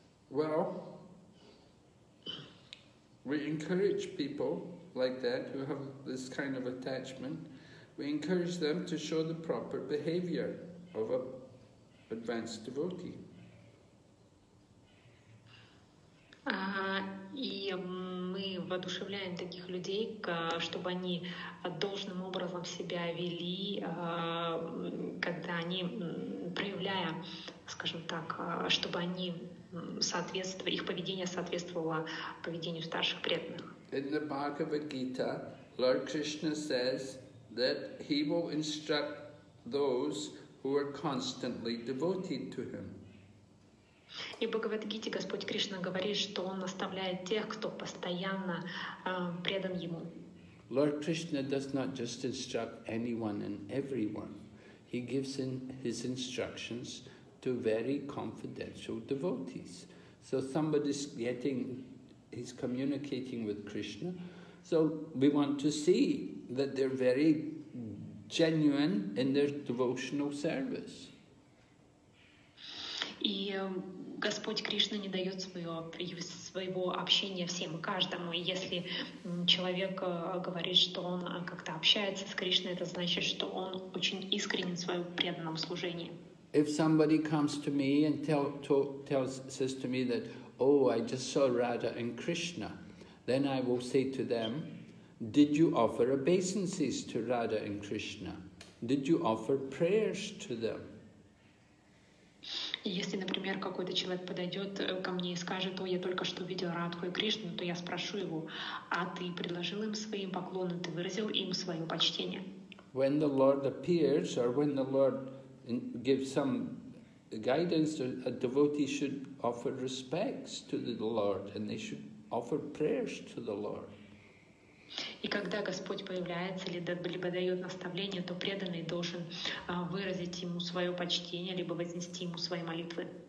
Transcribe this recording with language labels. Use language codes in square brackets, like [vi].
[en] Well, we encourage people like that who have this kind of attachment, we encourage them to show the proper behavior of an advanced devotee. [ru] И мы воодушевляем таких людей, чтобы они должным образом себя вели, когда они проявляя, скажем так, чтобы они их поведение соответствовало поведению старших преданных. [en] In the Bhagavad Gita, Lord Krishna says that he will instruct those who are constantly devoted to him. [ru] И в Бхагавад-гите Господь Кришна говорит, что Он наставляет тех, кто постоянно предан Ему. [en] Lord Krishna does not just instruct anyone and everyone. He gives in His instructions to very confidential devotees. So somebody's he's communicating with Krishna. So we want to see that they're very genuine in their devotional service. [ru] И Господь Кришна не дает своего общения всем и каждому. И если человек говорит, что он как-то общается с Кришной, это значит, что он очень искренен в своем преданном служении. [en] If somebody comes to me and says to me that, oh, I just saw Radha and Krishna, then I will say to them, did you offer obeisances to Radha and Krishna? Did you offer prayers to them? [ru] Если, например, какой-то человек подойдет ко мне и скажет, о, я только что видел Радху и Кришну, то я спрошу его, а ты предложил им свои поклоны, ты выразил им свое почтение? [en] When the Lord appears, or when the Lord gives some guidance, a devotee should offer respects to the Lord, and they should offer prayers to the Lord. [ru] И когда Господь появляется, либо дает наставление, то преданный должен выразить ему свое почтение, либо вознести ему свои молитвы.